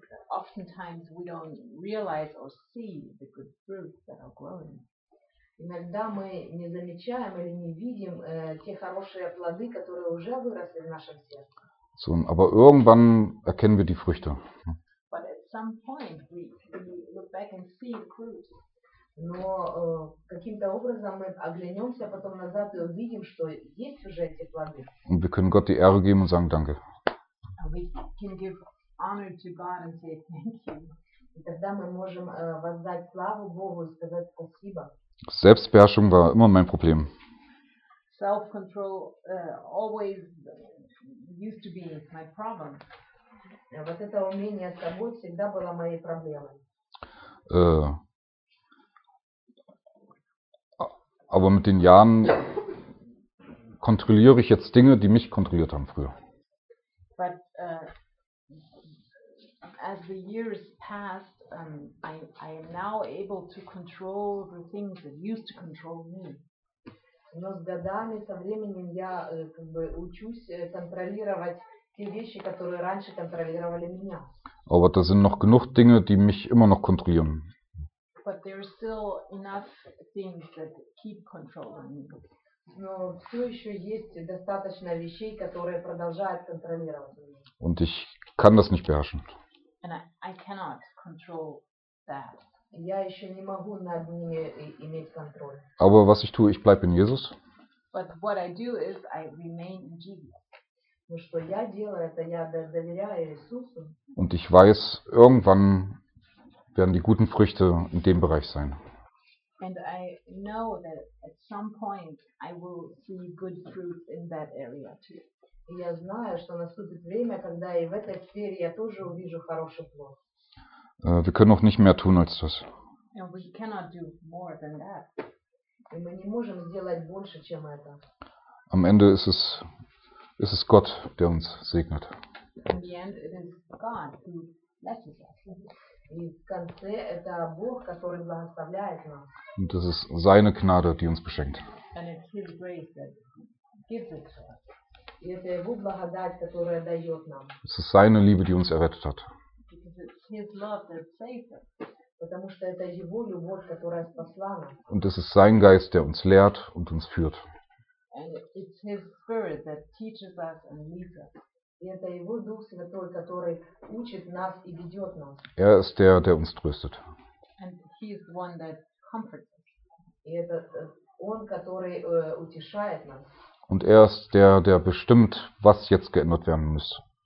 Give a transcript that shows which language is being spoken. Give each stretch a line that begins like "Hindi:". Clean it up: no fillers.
English: Oftentimes we don't realize or see the good fruits that are growing.
Russian: Иногда мы не замечаем или не видим те хорошие плоды, которые уже выросли в нашем сердце.
German: So, aber irgendwann erkennen wir die Früchte.
English: But at some point we look back and see the fruit.
Russian: Но каким-то образом мы оглянемся потом назад и увидим, что есть уже эти плоды.
German: Und wir können Gott die Ehre geben und sagen Danke.
English: And we can give honor to God and say thank you.
Russian: И тогда мы можем воздать славу Богу и сказать спасибо.
German: Selbstbeherrschung war immer mein Problem.
English: Self-control always used to be my problem.
Russian: Ja, вот это умение с собой всегда было моей проблемой.
German: Aber mit den Jahren kontrolliere ich jetzt Dinge, die mich kontrolliert haben früher.
English: But as the years passed, I am now able to control the things that used to control me.
Russian: Но с годами, со временем я как бы учусь контролировать те вещи, которые раньше контролировали меня.
German: Aber da sind noch genug Dinge, die mich immer noch kontrollieren.
English: But there are still enough things that keep controlling me.
Russian: Но все еще есть достаточно вещей, которые продолжают контролировать меня.
German: Und ich kann das nicht beherrschen.
English: And I cannot control that.
Russian: Я еще не могу над ними иметь контроль.
German: Aber was ich tue, ich bleibe in Jesus.
English: But what I do is I remain in Jesus.
Russian: Ну что я делаю, это я доверяю Иисусу.
German: Und ich weiß, irgendwann werden die guten Früchte in dem Bereich sein.
English: And I know that at some point I will see good fruits in that area too.
Russian: И я знаю, что наступит время, когда и в этой сфере я тоже увижу хороший плод.
German: Wir können auch nicht mehr tun als das.
English: And we cannot do more than that.
Russian: И мы не можем сделать больше, чем это.
German: Am Ende ist es Gott, der uns segnet.
English: In the end, it is God who blesses us.
Russian: И в конце это Бог, который благословляет нас.
German: Und das ist seine Gnade, die uns beschenkt.
English: And it's His grace that gives it to us.
Russian: И это Его благодать, которая дает нам.
German: Es ist seine Liebe, die uns errettet hat.
English: Because it's His love that saved us.
Russian: Потому что это Его любовь, которая спасла нас.
German: Und es ist sein Geist, der uns lehrt und uns führt.
English: And it's His Spirit that teaches us and leads us.
Russian: И это Его Дух Святой, который учит нас и ведет нас.
German: Er ist der uns tröstet.
English: And He is the one that comforts us.
Russian: И это Он, который утешает нас.
German: Und er ist der bestimmt, was jetzt geändert werden muss.